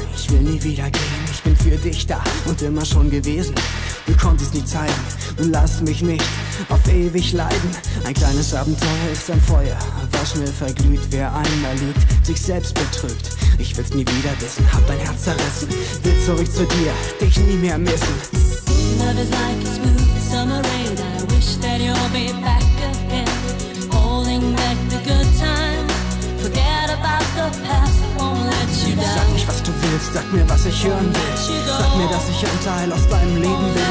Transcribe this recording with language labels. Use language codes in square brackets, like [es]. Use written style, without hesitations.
[de] Ich will nie wieder gehen, ich bin für dich da und immer schon gewesen. Du konntest nie zeigen und lass mich nicht auf ewig leiden. Ein kleines Abenteuer ist ein Feuer, was schnell verglüht. Wer einmal lügt, sich selbst betrügt. Ich will's nie wieder wissen, hab dein Herz zerrissen. Will zurück zu dir, dich nie mehr missen. [en] Love is like a smooth summer rain. I wish that you'll be back again. Holding back the good times. Forget about the past. Won't let you down. [de] Sag nicht, was du willst. Sag mir, was ich hören will. Sag mir, dass ich ein Teil aus deinem Leben bin.